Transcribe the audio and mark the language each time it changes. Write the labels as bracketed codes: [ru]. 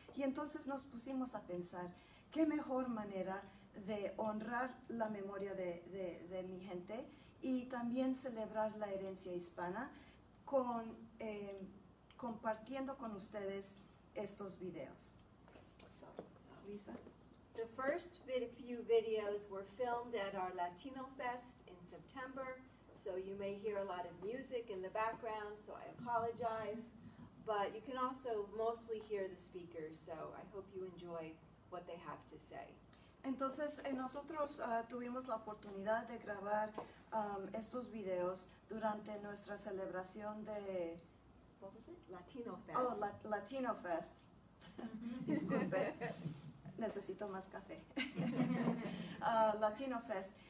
[es] Y entonces nos pusimos a pensar qué mejor manera de honrar la memoria de mi gente y también celebrar la herencia hispana con compartiendo con ustedes estos videos. [en] So, Lisa. The first few videos were filmed at our Latino Fest in September, so you may hear a lot of music in the background, so I apologize, but you can also mostly hear the speakers, so I hope you enjoy what they have to say. [es] Entonces, nosotros tuvimos la oportunidad de grabar estos videos durante nuestra celebración de [en] What was it? Latino Fest. [es] Oh, Latino Fest. Disculpe. Necesito más café. Latino Fest.